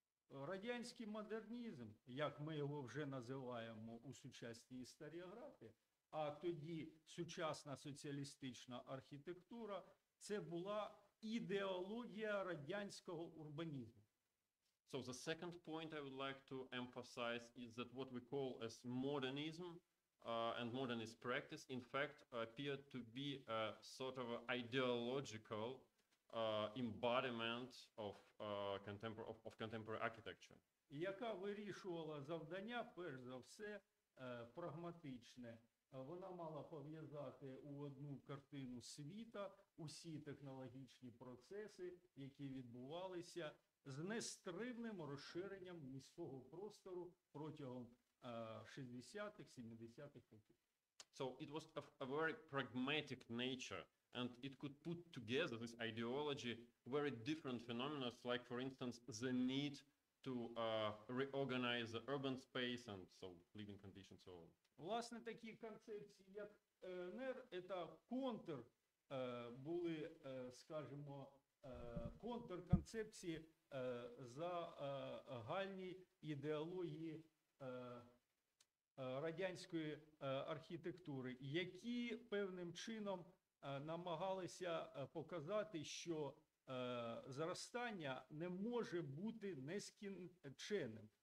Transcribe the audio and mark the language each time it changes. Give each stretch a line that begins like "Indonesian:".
Ukrainian: Радянський модернізм, як ми його вже називаємо у сучасній історіографії, а тоді сучасна соціалістична архітектура, це була ідеологія радянського урбанізму.
English: So the second point I would like to emphasize is that what we call as modernism and modernist practice, in fact, appear to be a sort of ideological embodiment of contemporary architecture.
Ukrainian: Яка вирішувала завдання, перш за все, прагматичне. Вона мала пов'язати у одну картину світа усі технологічні процеси, які відбувалися з нестримним розширенням міського простору протягом 60-х, 70-х років.
English: So it was of a very pragmatic nature, and it could put together this ideology very different phenomena, like, for instance, the need to reorganize the urban space and so living conditions so on.
Ukrainian: Власне, такі концепції, як НР, це контр, були, скажімо, контрконцепції за гальній ідеології радянської архітектури, які певним чином намагалися показати, що зростання не може бути нескінченним.